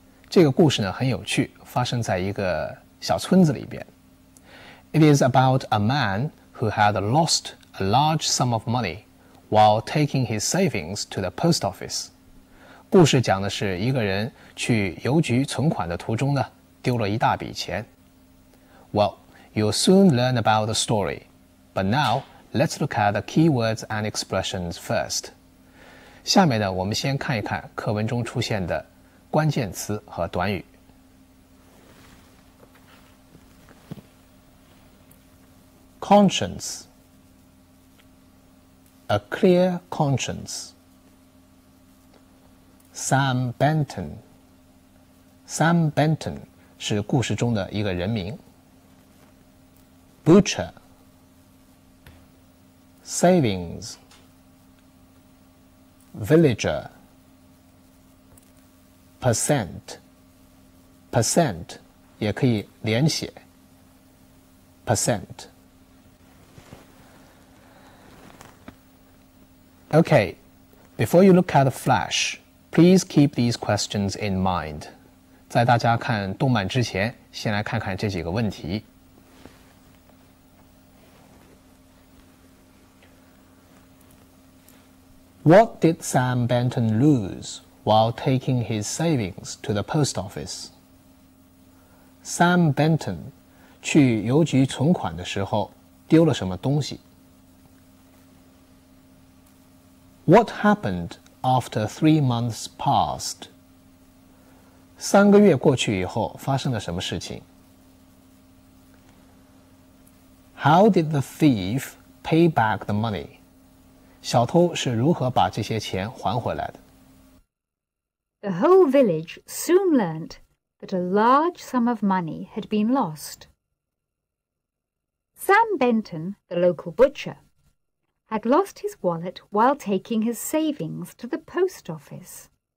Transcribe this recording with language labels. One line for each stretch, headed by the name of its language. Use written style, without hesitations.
Chinese: 这个故事呢很有趣，发生在一个小村子里边。
English: It is about a man who had lost a large sum of money while taking his savings to the post office.
Chinese: 故事讲的是一个人去邮局存款的途中呢，丢了一大笔钱。
English: Well, you'll soon learn about the story, but now,Let's look at the keywords and expressions first.
Chinese: 下面呢，我们先看一看课文中出现的关键词和短语。
English: Conscience. A clear conscience.
Chinese: Sam Benton. Sam Benton 是故事中的一个人名。Butcher.
English: Savings, villager, percent
Chinese: 也可以连写 percent.
English: Okay, before you look at the flash, please keep these questions in mind.
Chinese: 在大家看动漫之前，先来看看这几个问题。
English: What did Sam Benton lose while taking his savings to the post office?
Chinese: Sam Benton 去邮局存款的时候丢了什么东西?
English: What happened after 3 months passed?
Chinese: 三个月过去以后发生了什么事情?
English: How did the thief pay back the money?
Chinese: 小偷是如何把这些钱还回来的?
English: The whole village soon learned that a large sum of money had been lost. Sam Benton, the local butcher, had lost his wallet while taking his savings to the post office.